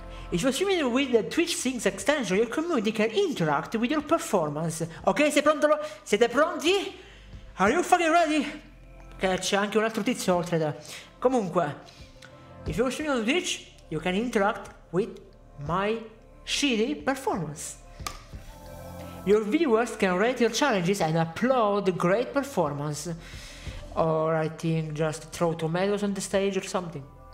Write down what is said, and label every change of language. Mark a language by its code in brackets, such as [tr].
[en] If you're streaming with the Twitch Sings extension, your community can interact with your performance. [it] Ok, sei pronto? Siete pronti? [en] Are you fucking ready? [it] Ok, c'è anche un altro tizio oltre da. Comunque, [en] if you're streaming on Twitch, you can interact with my shitty performance. Your viewers can rate your challenges and applaud great performance. Or I think just throw tomatoes on the stage or something.